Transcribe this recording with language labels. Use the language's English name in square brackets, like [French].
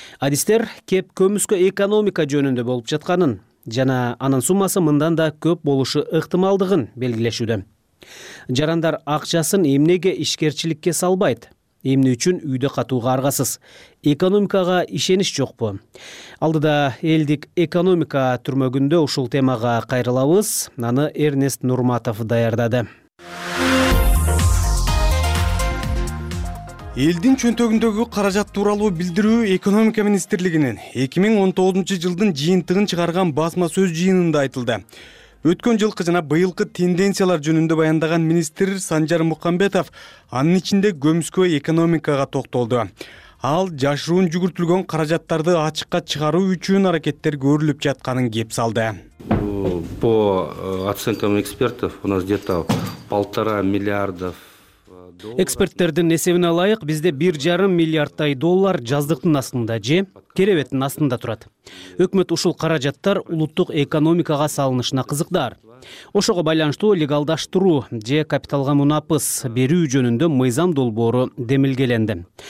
[Kyrgyz] Адистер кеп көмүскө экономика жөнүндө болуп жатканын жана анын суммасы мындан да көп болушу ыктымалдыгын белгилешүүдө. Жарандар акчасын эмнеге ишкерчиликке салбайт? Эмне үчүн үйдө катууга аргасыз? Экономикага ишениш жокпу? Алдыда элдик экономика түрмөгүндө ушул темага кайрылабыз. Аны Эрнест Нурматов даярдады. Элдин чөнтөгүндөгү каражат тууралуу билдирүү экономика министрлигинин 2019 жылдын жыйынтыгын чыгарган басма сөз жыйынында айтылды. Өткөн жылкы жана быйылкы тенденциялар жөнүндө баяндаган министр Санжар Мухамбетов анын ичинде көмүскө экономикага токтолду. Ал жашыруун жүгүртүлгөн каражаттарды ачыкка чыгаруу үчүн аракеттер көрүлүп жатканын кеп салды. [Russian] По оценкам экспертов у нас где-то 1,5 миллиардов. [Kyrgyz] Эксперттердин эсебине ылайык, бизде 1,5 миллиарддай доллар жаздыктын астында же керебеттин астында турат. Өкмөт ушул каражаттар улуттук экономикага салынышына кызыктар. Ошого байланыштуу легалдаштыруу же капиталга мунапыс берүү жөнүндө мыйзам долбоору демилгеленди.